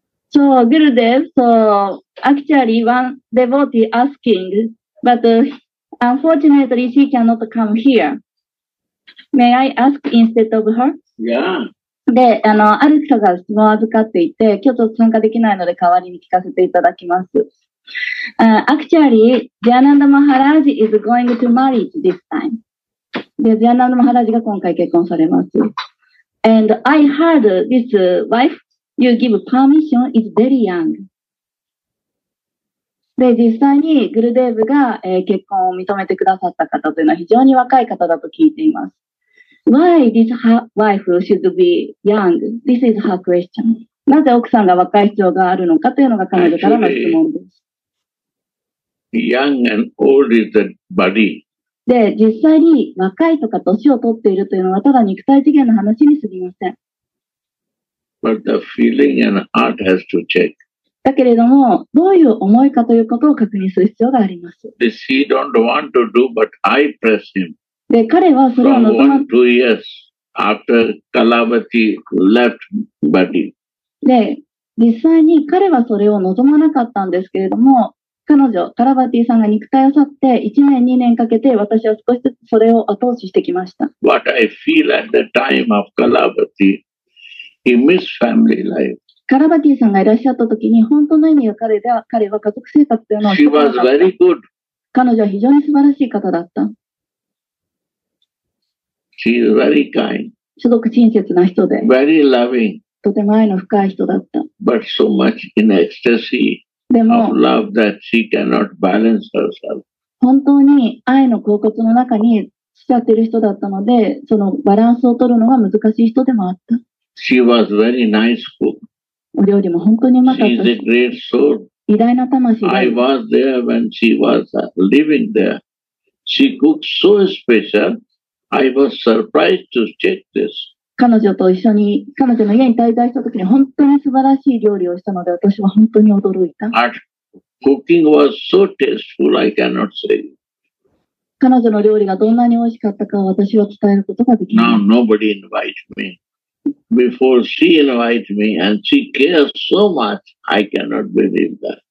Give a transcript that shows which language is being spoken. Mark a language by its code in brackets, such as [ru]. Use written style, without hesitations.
[en] So, Gurudev, so actually one devotee asking, but unfortunately she cannot come here. May I ask instead of her? Yeah. [ja] で、ある人が質問を預かっていて、今日ちょっと参加できないので代わりに聞かせていただきます。 [en] Actually, Jayananda Maharaj is going to marry this time. [ja] で、Jayananda Maharaj が今回結婚されます。 [en] And I heard this wife,You give permission is very young. [ja] で、実際にグルデーブが、結婚を認めてくださった方というのは非常に若い方だと聞いています。 [en] Why this wife should be young? This is her question. [ja] なぜ奥さんが若い必要があるのかというのが彼女からの質問です。 [en] Actually, young and old is the body. [ja] で、実際に若いとか年を取っているというのはただ肉体次元の話にすぎません。 [en] But the feeling and heart has to check. [ja] だけれども、どういう思いかということを確認する必要があります。 [en] で、he don't want to do, but I press him. [ja] で、彼はそれを望む。 [en] From 1-2 years after Kalavati left body. [ja] で、実際に彼はそれを望まなかったんですけれども、彼女、カラバティさんが肉体を去って1年、2年かけて私は少しずつそれを後押ししてきました。 [en] What I feel at the time of Kalavati. He missed family life. [ja] カラバティさんがいらっしゃったときに、本当の意味は彼は家族生活というのを知らなかった。 [en] She was very good. [ja] 彼女は非常に素晴らしい方だった。 [en] She is very kind. [ja] すごく親切な人で。 [en] Very loving. [ja] とても愛の深い人だった。 [en] But so much in ecstasy of love that she cannot balance herself. [ja] 本当に愛の恍惚の中に浸っている人だったので、そのバランスを取るのが難しい人でもあった。 [en] She was very nice cook. [ja] お料理も本当にうまかった [en] し。She is a great soul. [ja] 偉大な魂です。 [en] I was there when she was living there. She cooked so special. I was surprised to check this. [ja] 彼女と一緒に、彼女の家に滞在した時に本当に素晴らしい料理をしたので、私は本当に驚いた。 [en] Her cooking was so tasteful, I cannot say. [ja] 彼女の料理がどんなに美味しかったかを私は伝えることができない。 [en] Now nobody invites me. Before she invites me and she cares so much, I cannot believe that.